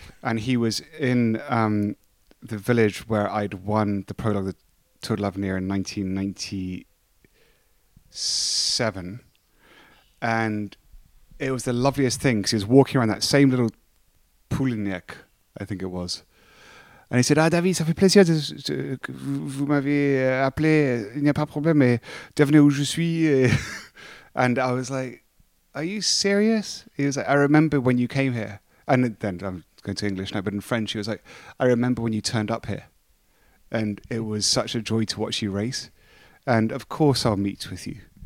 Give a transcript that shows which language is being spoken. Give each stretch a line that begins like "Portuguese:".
English: And he was in the village where I'd won the prologue of the Tour de l'Avenir in 1997. And it was the loveliest thing because he was walking around that same little Poulignac, I think it was.
French: And he said, "Ah, David, ça fait plaisir que vous m'avez appelé. Il n'y a pas de problème. Mais devinez où je suis."
English: And I was like, "Are you serious?" He was like, "I remember when you came here." And then I'm going to English now, but in French, he was like, "I remember when you turned up here. And it was such a joy to watch you race. And of course I'll meet with you."